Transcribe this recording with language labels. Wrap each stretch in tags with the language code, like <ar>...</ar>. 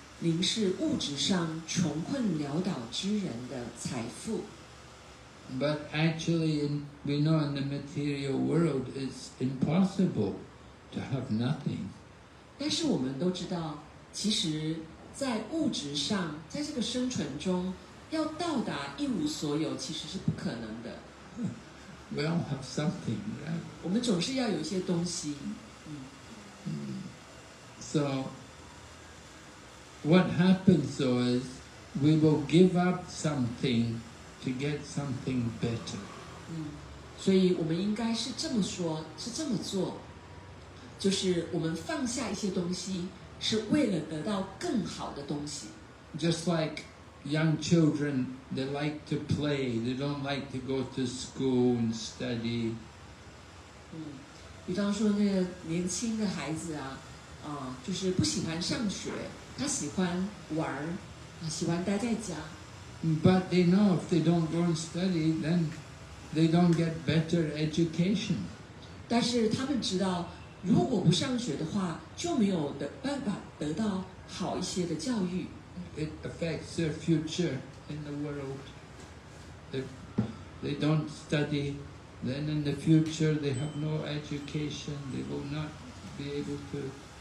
<zh>您是物质上穷困潦倒之人的财富。</zh> <en>But actually, we know in the material world, it's impossible to have nothing.</en> <zh>但是我们都知道，其实，在物质上，在这个生存中，要到达一无所有，其实是不可能的。</zh> <en>We all have something, right?</en> <zh>我们总是要有一些东西。</zh> <en>So. What happens though is we will give up something to get something better.</en> <zh>所以我们应该是这么说，是这么做，就是我们放下一些东西是为了得到更好的东西。</zh> <en>Just like young children, they like to play, they don't like to go to school and study.</en> <zh>比方说那个年轻的孩子啊，就是不喜欢上学。他喜欢玩，喜欢待在家。</zh> <en>But they know if they don't go and study, then they don't get better education.</en> <zh>但是他们知道，如果不上学的话，就没有的办法得到好一些的教育。</zh> <en>It affects their future in the world. If they don't study, then in the future they have no education. They will not be able to</en>